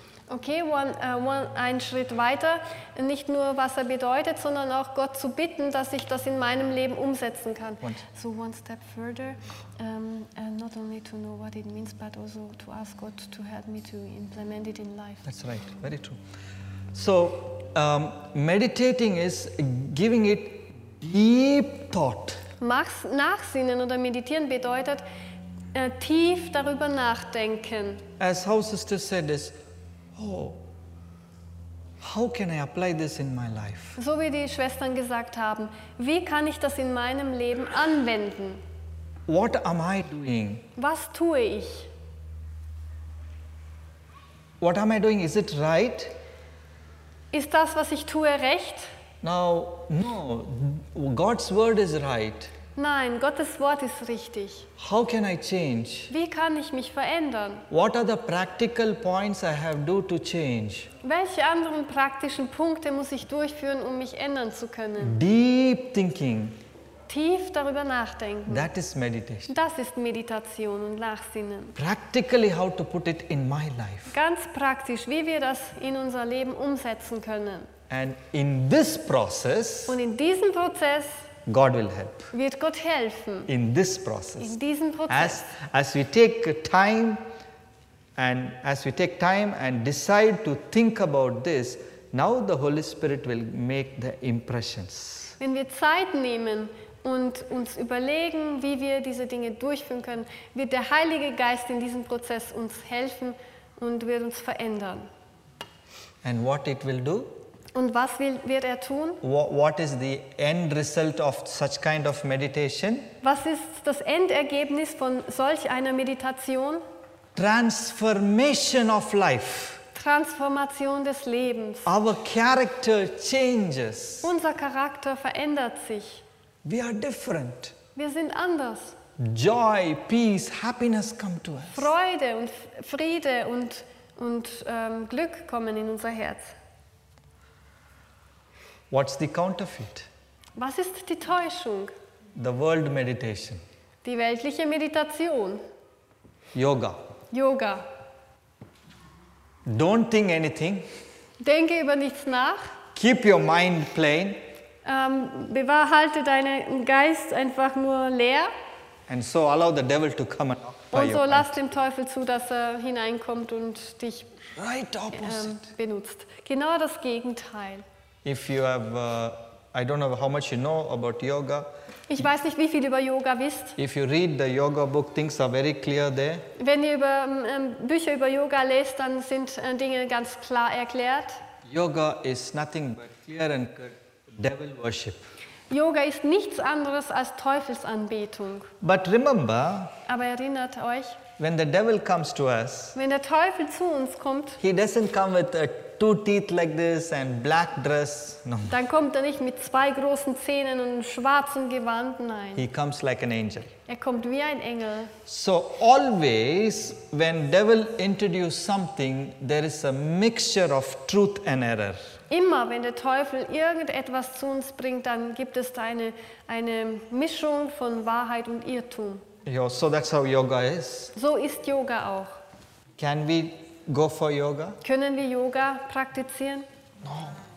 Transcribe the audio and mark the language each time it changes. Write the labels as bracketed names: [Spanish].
[German] Okay, ein Schritt weiter. Nicht nur, was er bedeutet, sondern auch Gott zu bitten, dass ich das in meinem Leben umsetzen kann. [English] What? So one step further. Not only to know what it means, but also to ask God to help me to implement it in life. That's right, very true. So, meditating is giving it deep thought. [German] Nachsinnen oder meditieren bedeutet tief darüber nachdenken. [English] As our sister said this, oh, how can I apply this in my life? [German] So wie die Schwestern gesagt haben, wie kann ich das in meinem Leben anwenden? [English] What am I doing? [German] Was tue ich? [English] What am I doing? Is it right? [German] Ist das, was ich tue, recht? [English] Now, no, God's word is right. [German] Nein, Gottes Wort ist richtig. [English] How can I change? [German] Wie kann ich mich verändern? [English] What are the practical points I have do to change? [German] Welche anderen praktischen Punkte muss ich durchführen, um mich ändern zu können? [English] Deep thinking. [German] Tief darüber nachdenken. [English] That is meditation. [German] Das ist Meditation und Nachsinnen. [English] Practically how to put it in my life. [German] Ganz praktisch, wie wir das in unser Leben umsetzen können. [English] And in this process. [German] Und in diesem Prozess. [English] God will help. [German] Wird Gott helfen. [English] In this process. [German] In diesem Prozess. [English] As we take time and as we take time and decide to think about this, now the Holy Spirit will make the impressions. [German] Wenn wir Zeit nehmen und uns überlegen, wie wir diese Dinge durchführen können, wird der Heilige Geist in diesem Prozess uns helfen und wird uns verändern. [English] And what it will do? [German] Und was wird er tun? [English] What is the end result of such kind of meditation? [German] Was ist das Endergebnis von solch einer Meditation? [English] Transformation of life. [German] Transformation des Lebens. [English] Our character changes. [German] Unser Charakter verändert sich. [English] We are different. [German] Wir sind anders. [English] Joy, peace, happiness come to us. [German] Freude und Friede und Glück kommen in unser Herz. [English] What's the counterfeit? [German] Was ist die Täuschung? [English] The world meditation. [German] Die weltliche Meditation. [English] Yoga. [German] Yoga. [English] Don't think anything. [German] Denke über nichts nach. [English] Keep your mind plain. [German] Bewahrhalte deinen Geist einfach nur leer. [English] And so allow the devil to come and occupy your mind. [German] Und so lass dem Teufel zu, dass er hineinkommt und dich [English] right opposite. [German] Benutzt. Genau das Gegenteil. [English] If you have, I don't know how much you know about yoga. [German] Ich weiß nicht, wie viel über Yoga wisst. [English] If you read the yoga book, things are very clear there. [German] Wenn ihr über Bücher über Yoga lest, dann sind Dinge ganz klar erklärt. [English] Yoga is nothing but fear and devil worship. [German] Yoga ist nichts anderes als Teufelsanbetung. [English] But remember. [German] Aber erinnert euch. [English] When the devil comes to us. [German] Wenn der Teufel zu uns kommt. [English] He doesn't come with a two teeth like this and black dress. No. [German] Dann kommt er nicht mit zwei großen Zähnen und schwarzem Gewand, nein. [English] He comes like an angel. [German] Er kommt wie ein Engel. [English] So always when devil introduce something, there is a mixture of truth and error. [German] Immer wenn der Teufel irgendetwas zu uns bringt, dann gibt es da eine Mischung von Wahrheit und Irrtum. [English] So that's how yoga is. [German] So ist Yoga auch. [English] Can we go for yoga? [German] Können wir Yoga praktizieren? [English] No.